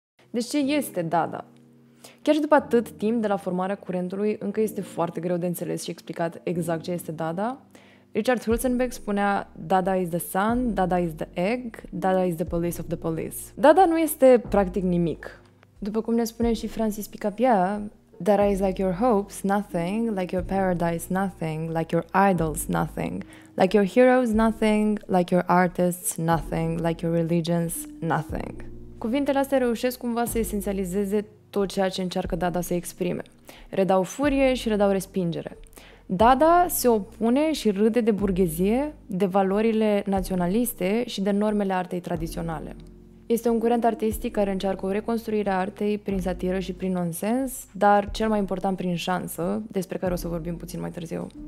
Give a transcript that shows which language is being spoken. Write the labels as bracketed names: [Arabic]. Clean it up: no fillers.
[Romanian] Deci ce este Dada? Chiar și după atât timp de la formarea curentului, încă este foarte greu de înțeles și explicat exact ce este Dada. Richard Hulzenbeck spunea [English] Dada is the sun, Dada is the egg, Dada is the police [Romanian] of the police. Dada nu este practic nimic. După cum ne spune și Francis Picabia, [English] Dada is like your hopes, nothing, like your paradise, nothing, like your idols, nothing, like your heroes, nothing, like your artists, nothing, like your religions, nothing. [Romanian] Cuvintele astea reușesc cumva să esențializeze tot ceea ce încearcă Dada să exprime. Redau furie și redau respingere. Dada se opune și râde de burghezie, de valorile naționaliste și de normele artei tradiționale. Este un curent artistic care încearcă o reconstruire a artei prin satiră și prin nonsens, dar cel mai important prin șansă, despre care o să vorbim puțin mai târziu.